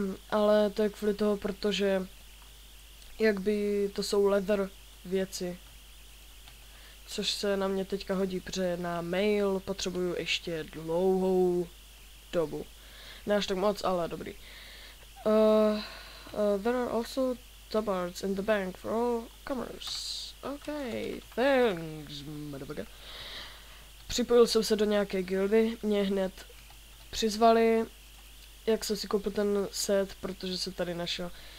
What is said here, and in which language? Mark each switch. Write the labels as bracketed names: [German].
[Czech] Ale to je kvůli toho, protože jakby to jsou leather věci. Což se na mě teďka hodí, protože na mail potřebuju ještě dlouhou dobu. Ne až tak moc, ale dobrý. [English] There are also tabards in the bank for all comers. Okay, thanks, motherfucker. [Czech] Připojil jsem se do nějaké gildy, mě hned přizvali, jak jsem si koupil ten set, protože se tady našel.